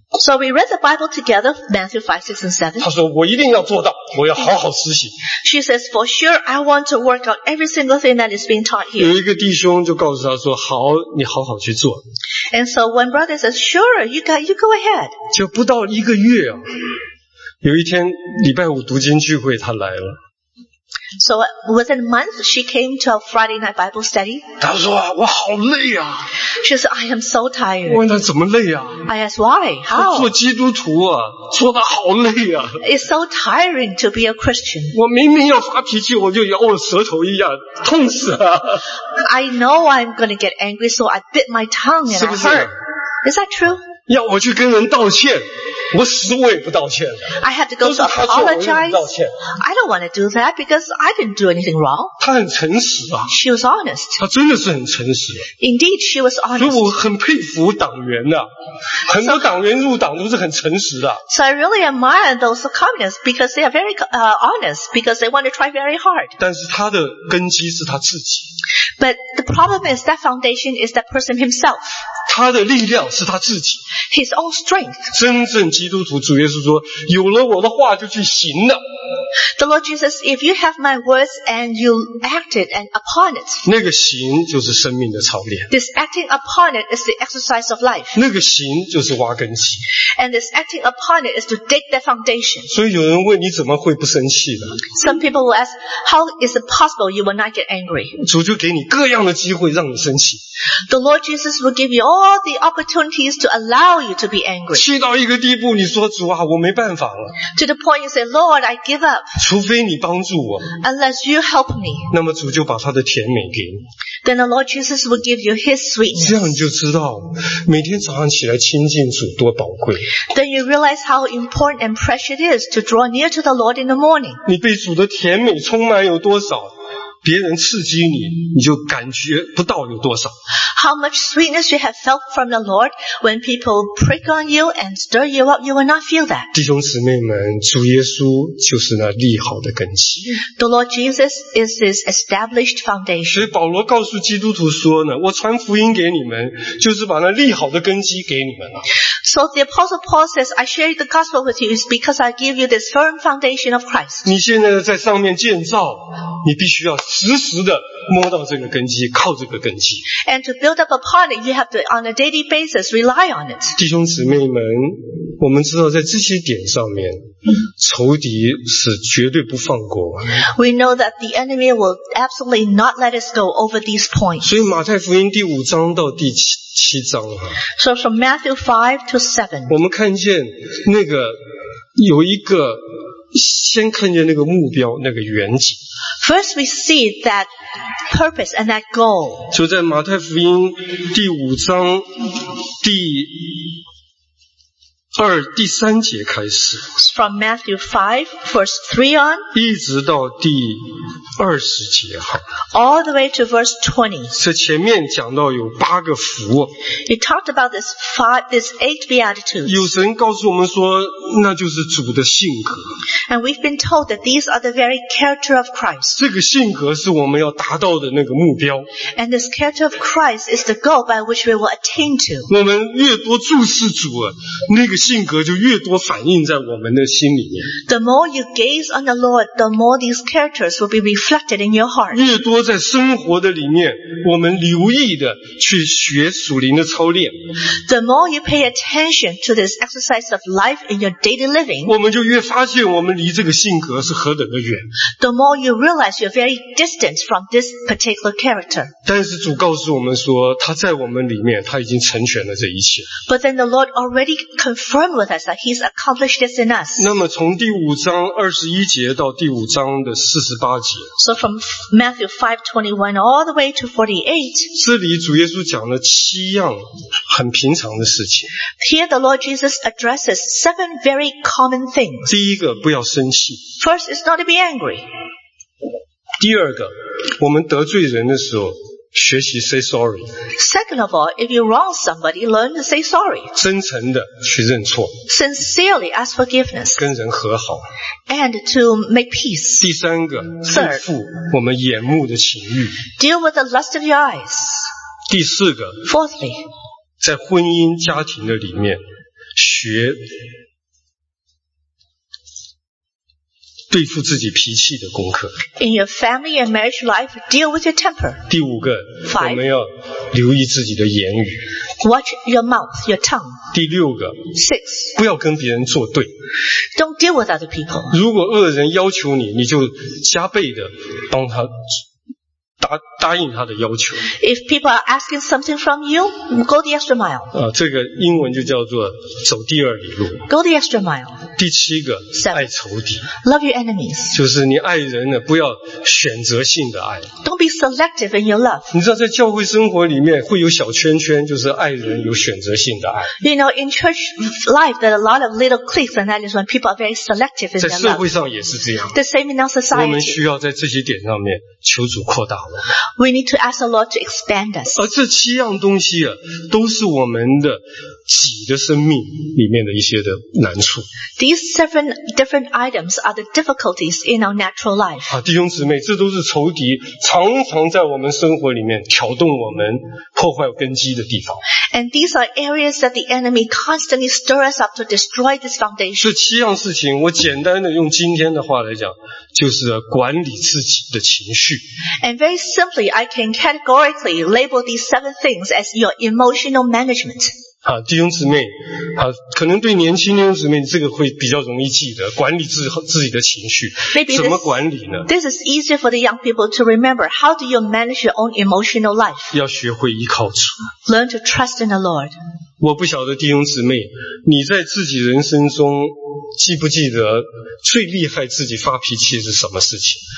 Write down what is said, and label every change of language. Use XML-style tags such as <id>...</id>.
<en>So we read the Bible together, Matthew 5, 6, and 7.</en> <zh>她说我一定要做到，我要好好实行。</zh> <en>She says, for sure, I want to work out every single thing that is being taught here.</en> <zh>有一个弟兄就告诉她说，好，你好好去做。</zh> <en>And so one brother says, sure, you go ahead.</en> <zh>就不到一个月啊，有一天礼拜五读经聚会，她来了。</zh> <en>So within a month, she came to our Friday night Bible study.</en> <zh>她说啊，我好累啊。</zh> <en>She said, I am so tired.</en> <zh>我问她怎么累啊。</zh> <en>I asked why, how?</en> <zh>做基督徒啊，做得好累啊。</zh> <en>It's so tiring to be a Christian.</en> <zh>我明明要发脾气，我就咬我舌头一样，痛死啊。</zh> <en>I know I'm going to get angry, so I bit my tongue and I hurt.</en> <zh>是不是？</zh> <en>Is that true?</en> <zh>要我去跟人道歉。我死我也不道歉了。</zh> <en>I have to go to apologize. I don't want to do that because I didn't do anything wrong.</en> <zh>她很诚实啊。</zh> <en>She was honest.</en> <zh>她真的是很诚实。</zh> <en>Indeed, she was honest.</en> <zh>所以我很佩服党员啊。很多党员入党都是很诚实的。</zh> <en>So I really admire those communists because they are very honest because they want to try very hard.</en> <zh>但是她的根基是她自己。</zh> <en>But the problem is that foundation is that person himself.</en> <zh>他的力量是他自己。</zh> <en>His own strength.</en> <zh>真正基督徒主耶稣说，有了我的话就去行了。</zh> <en>The Lord Jesus, if you have my words and you acted upon it.</en> <zh>那个行就是生命的操练。</zh> <en>This acting upon it is the exercise of life.</en> <zh>那个行就是挖根基。</zh> <en>And this acting upon it is to dig the foundation.</en> <zh>所以有人问你怎么会不生气呢？</zh> <en>Some people will ask, how is it possible you will not get angry?</en> <zh>主就给你各样的机会让你生气。</zh> <en>The Lord Jesus will give you all the opportunities to allow you to be angry.</en> <zh>气到一个地步，你说主啊，我没办法了。</zh> <en>To the point you say, Lord, I give up.</en> <zh>除非你帮助我。</zh> <en>Unless you help me.</en> <zh>那么主就把他的甜美给你。</zh> <en>Then the Lord Jesus will give you His sweetness.</en> <zh>这样你就知道，每天早上起来亲近主多宝贵。</zh> <en>Then you realize how important and precious it is to draw near to the Lord in the morning.</en> <zh>你被主的甜美充满有多少？别人刺激你，你就感觉不到有多少。</zh> <en>How much sweetness you have felt from the Lord when people prick on you and stir you up, you will not feel that.</en> <zh>弟兄姊妹们，主耶稣就是那立好的根基。</zh> <en>The Lord Jesus is his established foundation.</en> <zh>所以保罗告诉基督徒说呢，我传福音给你们，就是把那立好的根基给你们了。</zh> <en>So the Apostle Paul says, I share the gospel with you is because I give you this firm foundation of Christ.</en> <zh>你现在在上面建造，你必须要实时的摸到这个根基，靠这个根基。</zh> <en>And to build up upon it, you have to, on a daily basis, rely on it.</en> <zh>弟兄姊妹们，我们知道在这些点上面，仇敌是绝对不放过。</zh> <en>We know that the enemy will absolutely not let us go over these points.</en> <zh>所以马太福音第五章到第七章啊。</zh> <en>So from Matthew 5 to 7.</en> <zh>我们看见那个有一个先看见那个目标，那个远景。</zh> <en>First we see that purpose and that goal.</en> <zh>就在马太福音第五章第二第三节开始。</zh> <en>From Matthew 5, verse 3 on.</en> <zh>一直到第二十节。</zh> <en>All the way to verse 20.</en> <zh>这前面讲到有八个福。</zh> <en>He talked about this eight beatitudes.</en> <zh>有神告诉我们说，那就是主的性格。</zh> <en>And we've been told that these are the very character of Christ.</en> <zh>这个性格是我们要达到的那个目标。</zh> <en>And this character of Christ is the goal by which we will attain to.</en> <zh>我们越多注视主啊，那个性格就越多反映在我们的心里面。</zh> <en>The more you gaze on the Lord, the more these characters will be reflected in your heart.</en> <zh>越多在生活的里面，我们留意的去学属灵的操练。</zh> <en>The more you pay attention to this exercise of life in your daily living,</en> <zh>我们就越发现我们离这个性格是何等的远。</zh> <en>The more you realize you're very distant from this particular character.</en> <zh>但是主告诉我们说，他在我们里面，他已经成全了这一切。</zh> <en>But then the Lord already confirm with us that he's accomplished this in us.</en> <zh>那么从第五章二十一节到第五章的四十八节。</zh> <en>So from Matthew 5:21 all the way to 48.</en> <zh>这里主耶稣讲了七样很平常的事情。</zh> <en>Here the Lord Jesus addresses seven very common things.</en> <zh>第一个不要生气。</zh> <en>First is not to be angry.</en> <zh>第二个，我们得罪人的时候。学习</zh> <en>say sorry. Second of all, if you wrong somebody, learn to say sorry.</en> <zh>真诚的去认错。</zh> <en>Sincerely ask forgiveness.</en> <zh>跟人和好。</zh> <en>And to make peace.</en> <zh>第三个，对付我们眼目的情欲。</zh> <en>Deal with the lust of your eyes.</en> <zh>第四个</zh> <en>Fourthly,</en> <zh>在婚姻家庭的里面学对付自己脾气的功课。</zh> <en>In your family and marriage life, deal with your temper.</en> <zh>第五个</zh> <en>Five,</en> <zh>我们要留意自己的言语。</zh> <en>Watch your mouth, your tongue.</en> <zh>第六个</zh> <en>Six,</en> <zh>不要跟别人作对。</zh> <en>Don't deal with other people.</en> <zh>如果恶人要求你，你就加倍的帮他答应他的要求。</zh> <en>If people are asking something from you, go the extra mile.</en> <zh>这个英文就叫做走第二里路。</zh> <en>Go the extra mile.</en> <zh>第七个</zh> <en>Seven.</en> <zh>爱仇敌。</zh> <en>Love your enemies.</en> <zh>就是你爱人呢，不要选择性的爱。</zh> <en>Don't be selective in your love.</en> <zh>你知道在教会生活里面会有小圈圈，就是爱人有选择性的爱。</zh> <en>You know, in church life, there are a lot of little cliques, and that is when people are very selective in their love.</en> <zh>在社会上也是这样。</zh> <en>The same in our society.</en> <zh>我们需要在这些点上面求主扩大我们。</zh> <en>We need to ask the Lord to expand us.</en> <zh>而这七样东西啊，都是我们的己的生命里面的一些的难处。</zh> <en>These seven different items are the difficulties in our natural life.</en> <zh>啊，弟兄姊妹，这都是仇敌常常在我们生活里面挑动我们破坏根基的地方。</zh> <en>And these are areas that the enemy constantly stir us up to destroy this foundation.</en> <zh>这七样事情，我简单的用今天的话来讲，就是管理自己的情绪。</zh> <en>And very simply, I can categorically label these seven things as your emotional management.</en> <zh>啊，弟兄姊妹，啊，可能对年轻弟兄姊妹，这个会比较容易记得，管理自己的情绪。</zh> <en>Maybe</en> <zh>怎么管理呢</zh> <en>？This is easier for the young people to remember. How do you manage your own emotional life?</en> <zh>要学会依靠主。</zh> <en>Learn to trust in the Lord.</en> <zh>我不晓得弟兄姊妹，你在自己人生中记不记得最厉害自己发脾气是什么事情</zh>